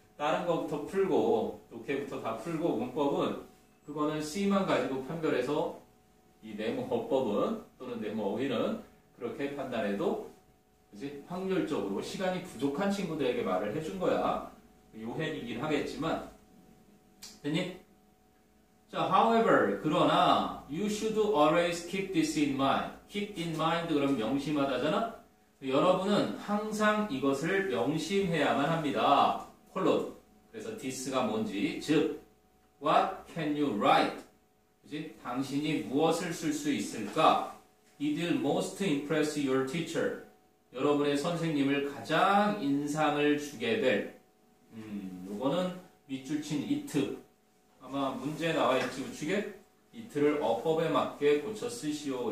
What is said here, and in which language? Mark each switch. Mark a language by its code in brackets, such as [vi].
[ko] 다른 것부터 풀고 독해부터 다 풀고 문법은 그거는 C만 가지고 판별해서 이 네모 어법은 또는 네모 어휘는 그렇게 판단해도 이제 확률적으로 시간이 부족한 친구들에게 말을 해준 거야. 요행이긴 하겠지만 됐니? [en] 자, however, [ko] 그러나 [en] you should always keep this in mind. [ko] keep in mind 그럼 명심하다잖아? 여러분은 항상 이것을 명심해야만 합니다. [en] colon. [ko] 그래서 this가 뭔지. [en] 즉, what can you write? [ko] 그치? 당신이 무엇을 쓸 수 있을까? [en] It will most impress your teacher. [ko] 여러분의 선생님을 가장 인상을 주게 될. 요거는 밑줄 친 it. 아마 문제에 나와있지, 우측에? 이틀을 어법에 맞게 고쳐 쓰시오.